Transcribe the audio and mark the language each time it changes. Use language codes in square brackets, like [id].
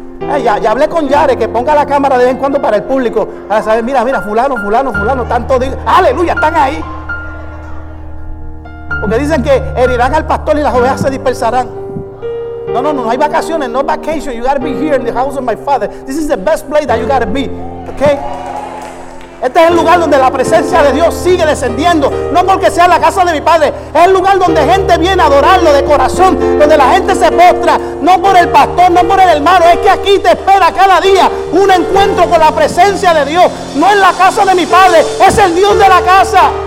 [es] Hey, ya hablé con Yare, que ponga la cámara de vez en cuando para el público. Para saber, mira, fulano, tanto digo. Aleluya, están ahí. Porque dicen que herirán al pastor y las ovejas se dispersarán. No hay vacaciones, no vacation. [en] You gotta be here in the house of my Father. This is the best place that you gotta be, okay? [es] Este es el lugar donde la presencia de Dios sigue descendiendo. No porque sea la casa de mi Padre, es el lugar donde gente viene a adorarlo de corazón, donde la gente se postra, no por el pastor, no por el hermano. Es que aquí te espera cada día un encuentro con la presencia de Dios. No es la casa de mi Padre, es el Dios de la casa.